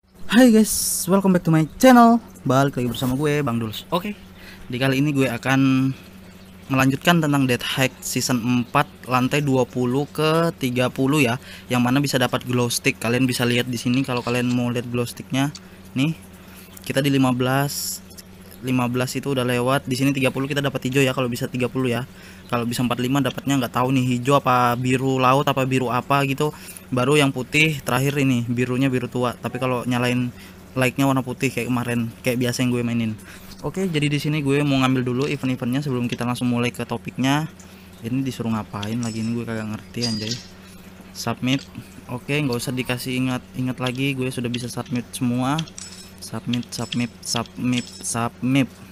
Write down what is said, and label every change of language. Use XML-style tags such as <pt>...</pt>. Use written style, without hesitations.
<en>Hai guys, welcome back to my channel.</en> <id>Balik lagi bersama gue, Bang Dulz. Oke. Di kali ini gue akan melanjutkan tentang Dead Hack Season 4 lantai 20 ke 30 ya, yang mana bisa dapat glow stick. Kalian bisa lihat di sini kalau kalian mau lihat glow sticknya. Nih, kita di 15 itu udah lewat. Di sini 30 kita dapat hijau ya, kalau bisa 30 ya. Kalau bisa 45 dapatnya nggak tahu nih, hijau apa biru laut apa biru apa gitu. Baru yang putih terakhir ini, birunya biru tua. Tapi kalau nyalain like-nya warna putih kayak kemarin, kayak biasa yang gue mainin. Oke, jadi di sini gue mau ngambil dulu event-eventnya sebelum kita langsung mulai ke topiknya. Ini disuruh ngapain lagi, ini gue kagak ngerti anjay. Submit. Oke, nggak usah dikasih ingat-ingat lagi, gue sudah bisa submit semua. Submit, submit, submit, submit.</id>